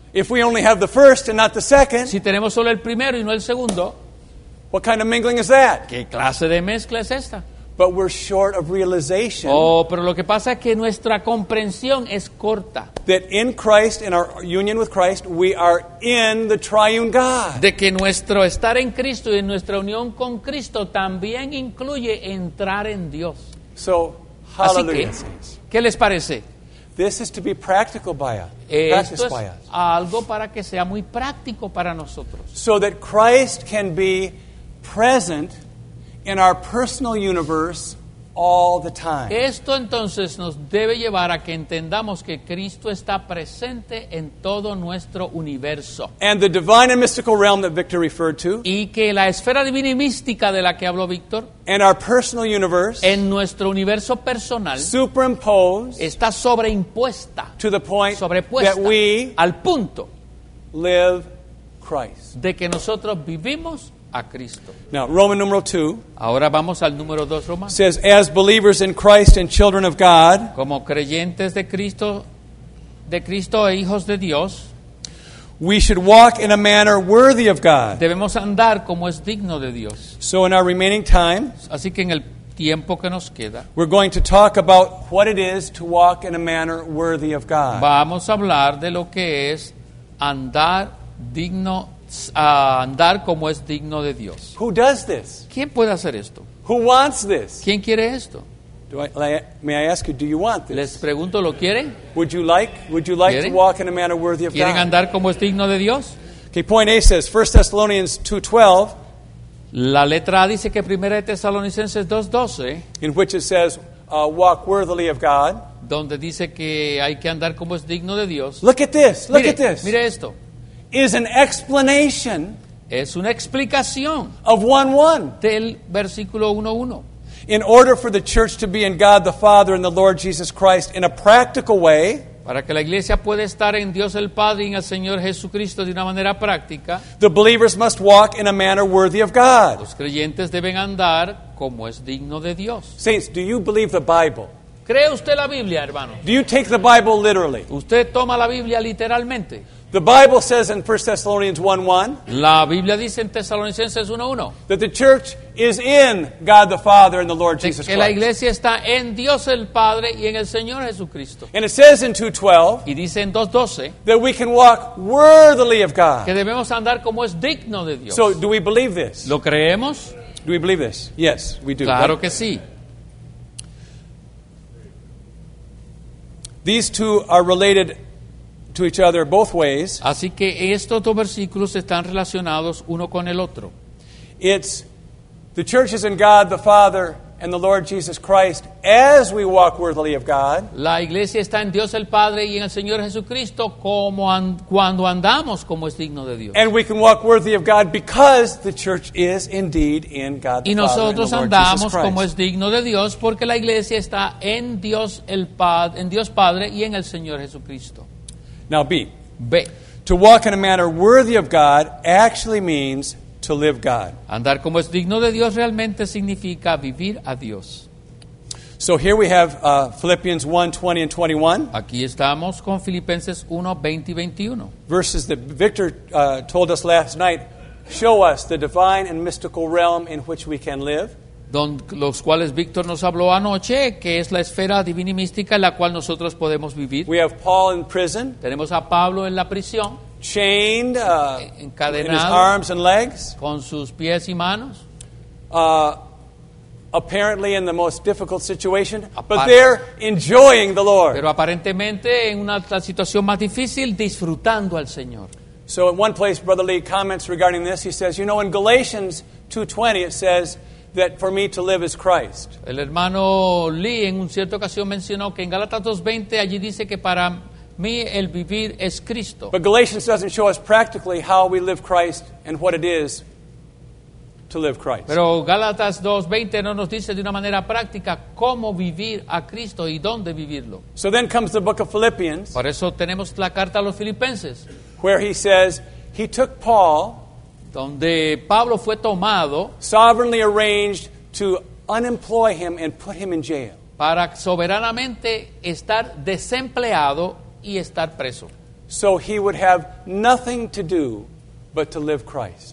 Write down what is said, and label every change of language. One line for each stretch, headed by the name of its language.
English: If we only have the first and not the second.
Spanish: Si tenemos solo el primero y no el segundo.
English: What kind of mingling is that?
Spanish: ¿Qué clase de mezcla es esta?
English: But we're short of realization.
Spanish: Oh, pero lo que pasa es que nuestra comprensión es corta.
English: That in Christ, in our union with Christ, we are in the triune God.
Spanish: De que nuestro estar en Cristo y en nuestra unión con Cristo también incluye entrar en Dios.
English: So, hallelujah.
Spanish: Así que, ¿qué les parece?
English: This is to be practical by us.
Spanish: Esto es algo para que sea muy práctico para nosotros.
English: So that Christ can be present in our personal universe all the time.
Spanish: Esto entonces nos debe llevar a que entendamos que Cristo está presente en todo nuestro universo.
English: And the divine and mystical realm that Victor referred to.
Spanish: Y que la esfera divina y mística de la que habló Victor.
English: And our personal universe.
Spanish: En nuestro universo personal.
English: Superimposed.
Spanish: Está sobreimpuesta.
English: To the point
Spanish: sobrepuesta
English: that we
Spanish: al punto
English: live Christ.
Spanish: De que nosotros vivimos a Cristo.
English: Now, Roman numeral 2.
Spanish: Ahora vamos al número 2 romano.
English: Says as believers in Christ and children of God,
Spanish: como creyentes de Cristo e hijos de Dios,
English: we should walk in a manner worthy of God.
Spanish: Debemos andar como es digno de Dios.
English: So in our remaining time,
Spanish: así que en el tiempo que nos queda,
English: we're going to talk about what it is to walk in a manner worthy of God.
Spanish: Vamos a hablar de lo que es andar digno a andar como es digno de Dios.
English: Who does this?
Spanish: ¿Quién puede hacer esto?
English: Who wants this?
Spanish: ¿Quién quiere esto?
English: May I ask you, do you want this?
Spanish: Les pregunto, ¿lo quieren?
English: Would you like
Spanish: ¿quieren?
English: To walk in a manner worthy of
Spanish: ¿quieren
English: God?
Spanish: Andar como es digno de Dios?
English: Okay, point A says, 1 Thessalonians 2:12.
Spanish: La letra A dice que 1 Tesalonicenses 2:12.
English: In which it says, walk worthily of God.
Spanish: Donde dice que hay que andar como es digno de Dios.
English: Look at this. Look
Spanish: mire,
English: at this.
Spanish: Mire esto.
English: Is an explanation.
Spanish: Es una explicación.
English: Of 1:1.
Spanish: Del versículo 1:1.
English: In order for the church to be in God the Father and the Lord Jesus Christ in a practical way.
Spanish: Para que la iglesia pueda estar en Dios el Padre y en el Señor Jesucristo de una manera práctica.
English: The believers must walk in a manner worthy of God.
Spanish: Los creyentes deben andar como es digno de Dios.
English: Saints, do you believe the Bible?
Spanish: ¿Cree usted la Biblia, hermano?
English: Do you take the Bible literally?
Spanish: ¿Usted toma la Biblia literalmente?
English: The Bible says in 1 Thessalonians 1:1.
Spanish: La Biblia dice en Tesalonicenses 1:1.
English: That the church is in God the Father and the Lord Jesus Christ.
Spanish: La iglesia está en Dios el Padre y en el Señor Jesucristo.
English: And it says in 2:12.
Spanish: Y dice en 2:12.
English: That we can walk worthily of God.
Spanish: Que debemos andar como es digno de Dios.
English: So do we believe this?
Spanish: ¿Lo creemos?
English: Do we believe this? Yes, we do.
Spanish: Claro que sí.
English: These two are related to each other both ways.
Spanish: Así que estos dos versículos están relacionados uno con el otro.
English: It's The church is in God the Father and the Lord Jesus Christ as we walk worthily of God.
Spanish: La iglesia está en Dios el Padre y en el Señor Jesucristo como cuando andamos como es digno de Dios.
English: And we can walk worthy of God because the church is indeed in God the Father.
Spanish: Y nosotros andamos como es digno de Dios porque la iglesia está en Dios el Padre, en Dios Padre y en el Señor Jesucristo.
English: Now B.
Spanish: B.
English: To walk in a manner worthy of God actually means to live God.
Spanish: Andar como es digno de Dios realmente significa vivir a Dios.
English: So here we have Philippians 1, 20 and 21.
Spanish: Aquí estamos con Filipenses 1, 20 y 21.
English: Verses that Victor told us last night show us the divine and mystical realm in which we can live.
Spanish: Los cuales Victor nos habló anoche, que es la esfera divina y mística en la cual nosotros podemos vivir.
English: We have Paul in prison.
Spanish: Tenemos a Pablo en la prisión.
English: Chained,
Spanish: encadenado,
English: in his arms and legs,
Spanish: con sus pies y manos,
English: apparently in the most difficult situation, but they're enjoying the Lord.
Spanish: Pero aparentemente en una situación más difícil, disfrutando al Señor.
English: So in one place, Brother Lee comments regarding this. He says, "You know, in Galatians 2:20, it says that for me to live is Christ."
Spanish: El hermano Lee en una cierta ocasión mencionó que en Gálatas 2:20 allí dice que para mí, el vivir es Cristo.
English: But Galatians doesn't show us practically how we live Christ and what it is to live Christ.
Spanish: Pero Gálatas 2:20 no nos dice de una manera práctica cómo vivir a Cristo y dónde vivirlo.
English: So then comes the book of Philippians.
Spanish: Por eso tenemos la carta a los Filipenses.
English: Where he says he took Paul,
Spanish: donde Pablo fue tomado,
English: sovereignly arranged to unemploy him and put him in jail.
Spanish: Para soberanamente estar desempleado y estar preso.
English: So he would have nothing to do but to live Christ.